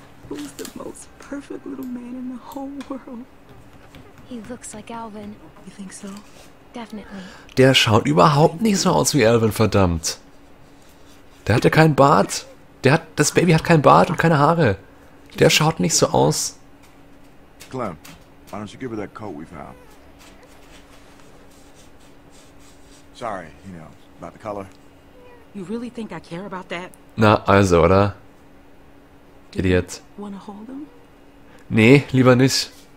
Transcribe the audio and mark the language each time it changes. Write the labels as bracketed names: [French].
[English] Who's the most perfect little man in the whole world? He looks like Alvin. You think so? Definitely. [German] Der schaut überhaupt nicht so aus wie Alvin, verdammt. Der hat ja keinen Bart. Der hat, das Baby hat keinen Bart und keine Haare. Der schaut nicht so aus. [English] Clem, why don't you give her that coat we found? Sorry, you know, about the color. You really think I care about that? [German] Na, also, oder? Idiot. Nee, lieber nicht.